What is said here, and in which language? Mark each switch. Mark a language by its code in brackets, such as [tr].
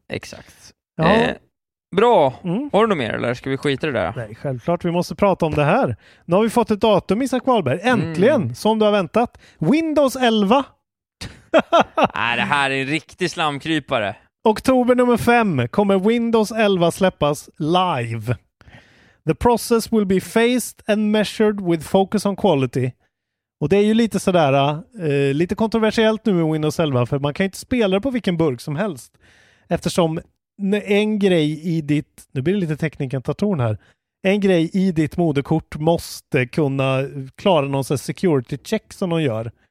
[sv] Exakt. Bra. Mm. Har du något mer eller ska vi skita det där? Nej, självklart. Vi måste prata om det här. Nu har vi fått ett datum, Isak Wahlberg. Äntligen, som du har väntat. Windows 11. Nej, det här är en riktig slamkrypare. Oktober nummer 5 kommer Windows 11 släppas live. [en] The process will be phased and measured with focus on quality. [sv] Och det är ju lite sådär, lite kontroversiellt nu med Windows 11, för man kan ju inte spela på vilken burk som helst. Eftersom en grej i ditt, nu blir det lite teknikentatorn här, en grej i ditt moderkort måste kunna klara någon sån [en] security check [sv] som de gör.